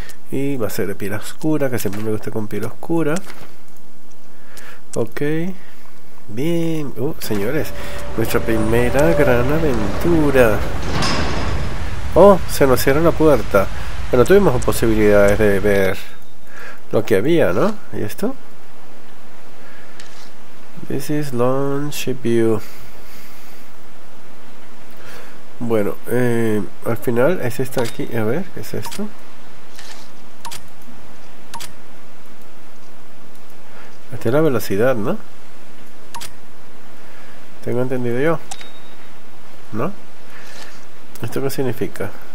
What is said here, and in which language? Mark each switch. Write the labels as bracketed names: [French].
[Spanish] Y va a ser de piel oscura, que siempre me gusta con piel oscura. Ok. Bien. Señores. Nuestra primera gran aventura. Oh, se nos cierra la puerta. Bueno, tuvimos posibilidades de ver lo que había, ¿no? ¿Y esto? [English] This is launch ship view. [Spanish] Bueno, al final ese está aquí. A ver, ¿qué es esto? Esta es la velocidad, ¿no? Tengo entendido yo, ¿no? ¿Esto qué significa?